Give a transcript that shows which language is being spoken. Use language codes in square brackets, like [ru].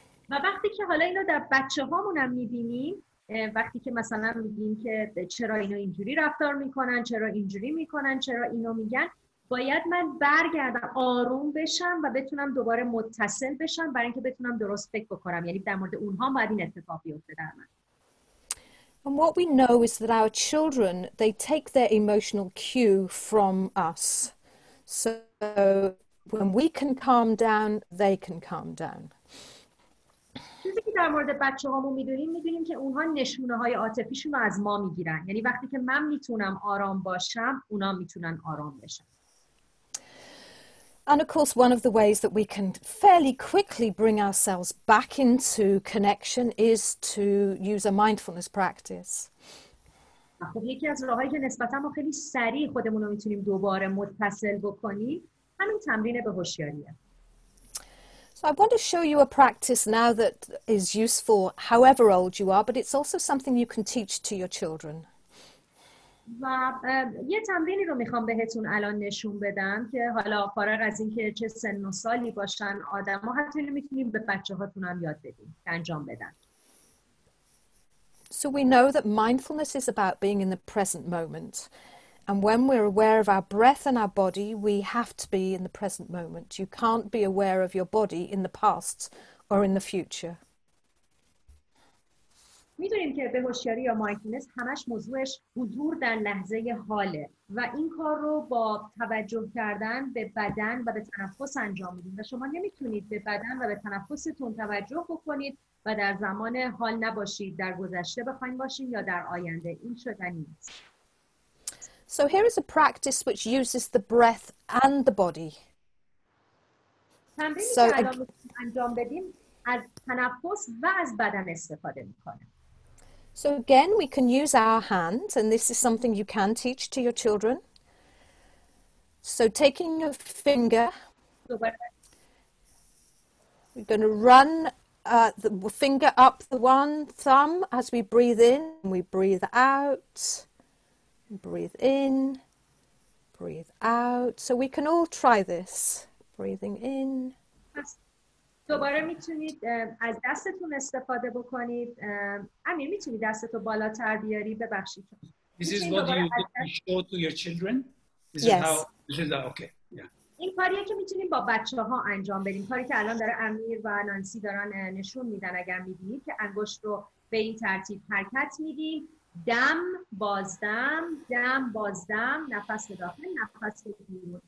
[fa] و وقتی که حالا اینو در بچه‌هامون هم می‌بینیم، وقتی که مثلا می‌گیم که چرا اینو اینجوری رفتار می‌کنن، چرا اینجوری می‌کنن، چرا اینو میگن، باید من برگردم آروم بشم و بتونم دوباره متصل بشم برای اینکه بتونم درست فکر بکنم، یعنی در مورد اونها باید این اتفاق بیفته در من. [en] And what we know is that our children, they take their emotional cue from us. So when we can calm down, they can calm down. [fa] چیزی که در مورد بچه هامون میدونیم، میدونیم که اونها نشونه های عاطفیشون رو از ما میگیرن. یعنی وقتی که من میتونم آرام باشم، اونا میتونن آرام بشن. [en] And of course, one of the ways that we can fairly quickly bring ourselves back into connection is to use a mindfulness practice. [fa] خب یکی از راه‌هایی که نسبتاً ما خیلی سریع خودمون رو می‌تونیم دوباره متصل بکنیم همین تمرین به هوشیاریه. [en] So I want to show you a practice now that is useful however old you are, but it's also something you can teach to your children. [fa] و یه تمرینی رو می‌خوام بهتون الان نشون بدم که حالا فارغ از اینکه چه سن و سالی باشن آدم‌ها حتی می‌تونیم به بچه‌هاتون هم یاد بدیم انجام بدن. [en] So we know that mindfulness is about being in the present moment. And when we're aware of our breath and our body, we have to be in the present moment. You can't be aware of your body in the past or in the future. [fa] می دونیم که به هوشیاری یا مایندفولنس همش موضوعش حضور در لحظه حاله و این کار رو با توجه کردن به بدن و به تنفس انجام میدیم و شما نمیتونید به بدن و به تنفستون توجه بکنید و در زمان حال نباشید، در گذشته بخواید باشید یا در آینده. این شدنی نیست. [en] So here is a practice which uses the breath and the body. [fa] تمرینی که الان انجام بدیم از تنفس و از بدن استفاده میکنه. [en] So again, we can use our hands, and this is something you can teach to your children. So taking your finger, we're going to run the finger up the one thumb as we breathe in, we breathe out, breathe in, breathe out. So we can all try this, breathing in. [fa] دوباره میتونید از دستتون استفاده بکنید. امیر میتونی دستتو بالاتر بیاری ببخشید. [en] This is what you show to your children. This yes. is how this is how, okay. Yeah. [fa] این کاریه که میتونیم با بچه‌ها انجام بدیم. کاری که الان داره امیر و نانسی دارن نشون میدن اگر میبینید که انگشت رو به این ترتیب حرکت میدیم. دم بازدم، دم بازدم، نفس داخل، نفس بیرون.